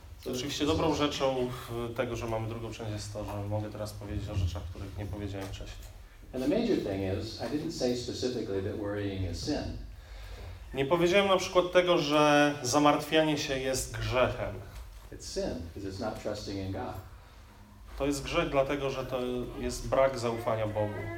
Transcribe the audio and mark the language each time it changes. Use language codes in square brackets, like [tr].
[pl] Oczywiście dobrą rzeczą tego, że mamy drugą część, jest to, że mogę teraz powiedzieć o rzeczach, których nie powiedziałem wcześniej. [en] And the major thing is, I didn't say specifically that worrying is sin. [pl] Nie powiedziałem na przykład tego, że zamartwianie się jest grzechem. [en] It's sin, because it's not trusting in God. [pl] To jest grzech, dlatego że to jest brak zaufania Bogu.